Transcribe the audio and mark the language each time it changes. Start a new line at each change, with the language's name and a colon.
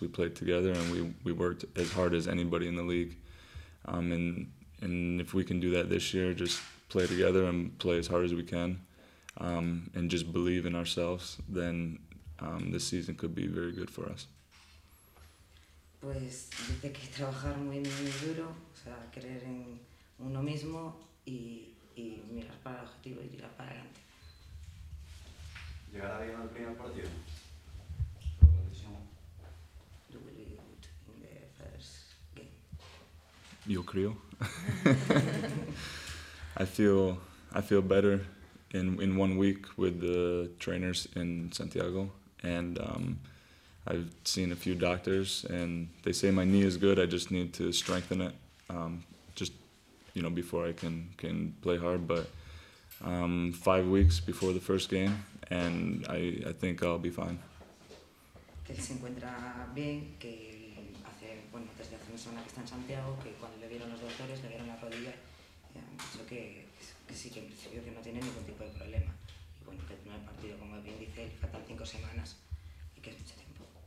English: We played together and we worked as hard as anybody in the league. And if we can do that this year, just play together and play as hard as we can, and just believe in ourselves, then this season could be very good for us.
Spanish: Pues dice que trabajar muy, muy duro, o sea, creer en uno mismo y mirar para el objetivo y tirar para adelante. ¿Llegará bien al primer partido?
English: Do we really good in the first game?
Spanish: Yo creo.
English: I feel better in 1 week with the trainers in Santiago, and I've seen a few doctors, and they say my knee is good. I just need to strengthen it, just you know, before I can play hard. But 5 weeks before the first game, and I think I'll be fine.
Spanish: Que se encuentra bien, que hace bueno desde hace una semana que está en Santiago, que cuando le vieron los doctores le vieron la rodilla, y han dicho que sí, que en principio que no tiene ningún tipo de problema. Y bueno, que el primer partido, como bien dice, le faltan 5 semanas y que es mucho tiempo.